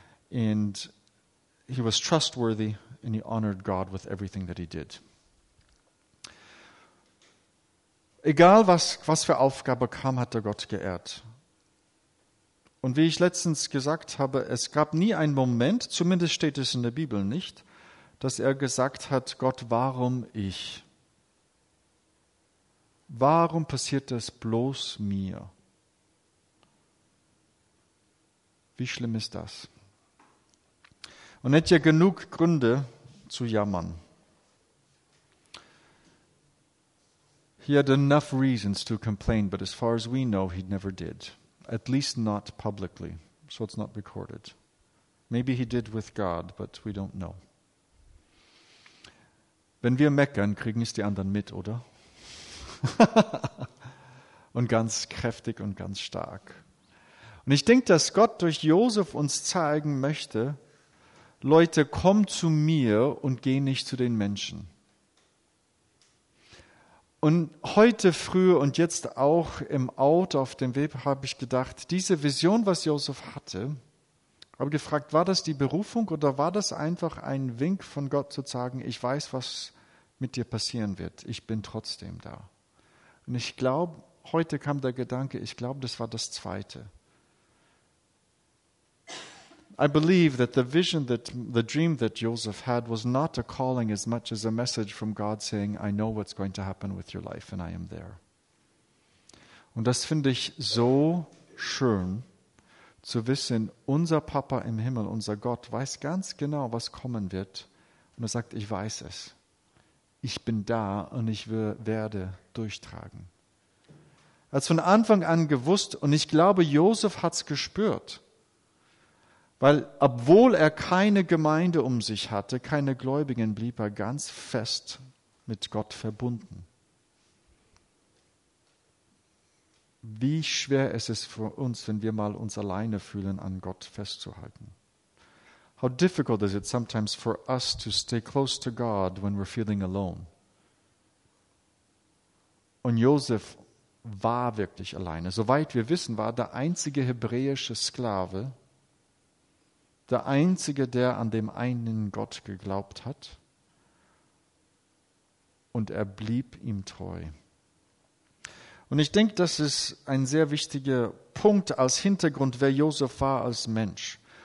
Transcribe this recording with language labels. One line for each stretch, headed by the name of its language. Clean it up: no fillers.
English: And he was trustworthy and he honored God with everything that he did.
German: Egal was für Aufgabe kam, hat er Gott geehrt. Und wie ich letztens gesagt habe, es gab nie einen Moment, zumindest steht es in der Bibel nicht, dass er gesagt hat, Gott, warum ich? Warum passiert das bloß mir? Wie schlimm ist das? Und hätte ja genug Gründe zu jammern.
English: He had enough reasons to complain, but as far as we know, he never did. At least not publicly, so it's not recorded. Maybe he did with God, but we don't know.
German: Wenn wir meckern, kriegen es die anderen mit, oder? und ganz kräftig und ganz stark. Und ich denke, dass Gott durch Josef uns zeigen möchte, Leute, komm zu mir und geh nicht zu den Menschen. Und heute früh und jetzt auch im Auto auf dem Weg habe ich gedacht, diese Vision, was Josef hatte, habe gefragt, war das die Berufung oder war das einfach ein Wink von Gott zu sagen, ich weiß, was mit dir passieren wird, ich bin trotzdem da. Und ich glaube, heute kam der Gedanke, ich glaube, das war das Zweite.
English: I believe that the vision, that the dream that Joseph had was not a calling as much as a message from God saying, I know what's going to happen with your life and I am there.
German: Und das finde ich so schön, zu wissen, unser Papa im Himmel, unser Gott, weiß ganz genau, was kommen wird. Und er sagt, ich weiß es. Ich bin da und ich werde durchtragen. Er hat es von Anfang an gewusst und ich glaube, Josef hat es gespürt. Weil obwohl er keine Gemeinde um sich hatte, keine Gläubigen, blieb er ganz fest mit Gott verbunden. Wie schwer ist es für uns, wenn wir mal uns alleine fühlen, an Gott festzuhalten?
English: How difficult is it sometimes for us to stay close to God when we're feeling alone?
German: Und Josef war wirklich alleine. Soweit wir wissen, war er der einzige hebräische Sklave, der einzige, der an dem einen Gott geglaubt hat. Und er blieb ihm treu. Und ich denke, das ist ein sehr wichtiger Punkt als Hintergrund, wer Josef war als Mensch.